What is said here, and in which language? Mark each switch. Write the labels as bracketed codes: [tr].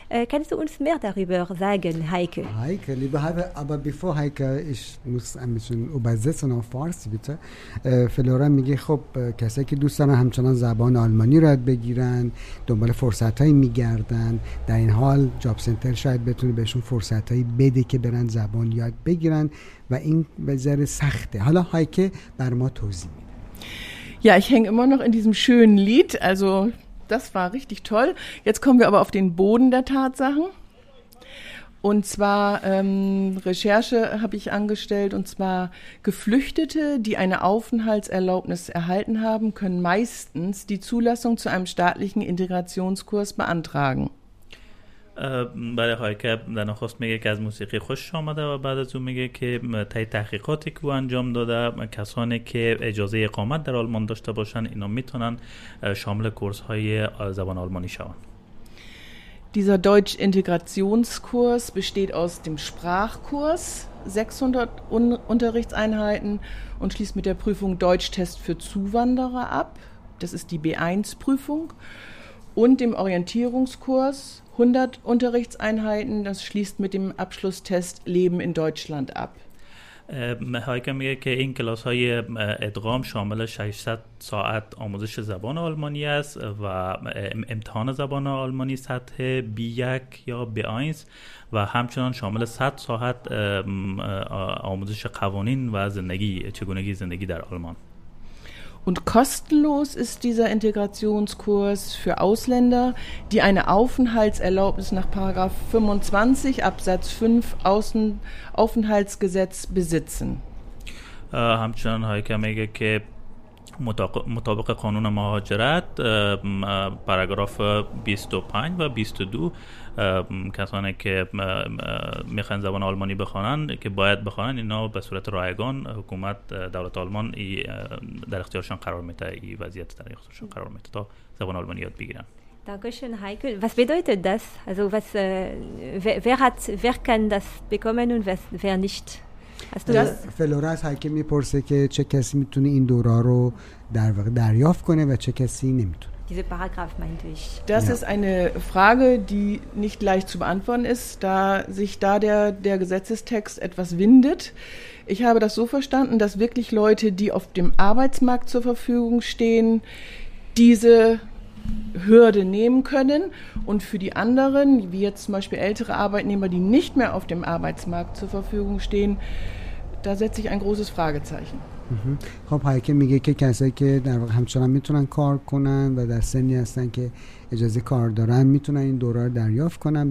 [de] Kannst du uns mehr darüber sagen, Heike? Heike, liebe Heike, aber bevor Heike, ich muss ein bisschen übersetzen auf Farsi, bitte. [fa] Flora میگه خب کسایی که دوست دارن همچنان زبان آلمانی رو یاد بگیرن، دنبال فرصت‌های می‌گردن، در این حال جاب سنتر شاید بتونه بهشون فرصت‌های بده که برن زبان یاد بگیرن و این به ذره سخته. حالا هایکه بر ما توضیح [de] Ja, ich hänge immer noch in diesem schönen Lied. Also das war richtig toll. Jetzt kommen wir aber auf den Boden der Tatsachen. Und zwar Recherche habe ich angestellt. Und zwar Geflüchtete, die eine Aufenthaltserlaubnis erhalten haben, können meistens die Zulassung zu einem staatlichen Integrationskurs beantragen. [fa] بله هایکه در نخست میگه که از موسیقی خوش آمده و بعد از اون میگه که تای تحقیقاتی که او انجام داده کسانی که اجازه اقامت در آلمان داشته باشن اینا میتونن شامل کورس های زبان آلمانی شون. [de] Dieser Deutsch Integrationskurs besteht aus dem Sprachkurs 600 Unterrichtseinheiten und schließt mit der Prüfung Deutschtest für Zuwanderer ab. Das ist die B1 Prüfung und dem Orientierungskurs 100 Unterrichtseinheiten, das schließt mit dem Abschlusstest Leben in Deutschland ab. [fa] هایکه میگه که این کلاس های ادغام شامل 600 ساعت آموزش زبان آلمانی است و امتحان زبان آلمانی سطح B1 یا B1 و همچنان شامل 100 ساعت آموزش قوانین و زندگی چگونگی زندگی در آلمان. [de] Und kostenlos ist dieser Integrationskurs für Ausländer, die eine Aufenthaltserlaubnis nach § 25 Absatz 5 Außenaufenthaltsgesetz besitzen. [fa] همچنان هایکه میگه که مطابق قانون مهاجرت پاراگراف 25 و 22 کسانی که میخوان زبان آلمانی بخوانن که باید بخوانن اینا به صورت رایگان حکومت دولت آلمان در اختیارشان قرار میده این وضعیت در اختیارشان قرار میده تا زبان آلمانی یاد بگیرن. [de] Dankeschön, Heike. Was bedeutet das? Also was wer kann das bekommen und wer nicht? [fa] فلورا از هایکه میپرسه که چه کسی میتونه این دورا رو در واقع دریافت کنه و چه کسی نمیتونه. [de] Diese Paragraph meinte ich. Das ist eine Frage, die nicht leicht zu beantworten ist, da sich da der Gesetzestext etwas windet. Ich habe das so verstanden, dass wirklich Leute, die auf dem Arbeitsmarkt zur Verfügung stehen, diese Hürde nehmen können und für die anderen, wie jetzt zum Beispiel ältere Arbeitnehmer, die nicht mehr auf dem Arbeitsmarkt zur Verfügung stehen, da setze ich ein großes Fragezeichen. [fa] خب هایکه میگه که کسایی که در واقع همچنان میتونن کار کنن و در سنی هستن که اجازه کار دارن میتونن این دوره رو دریافت کنن.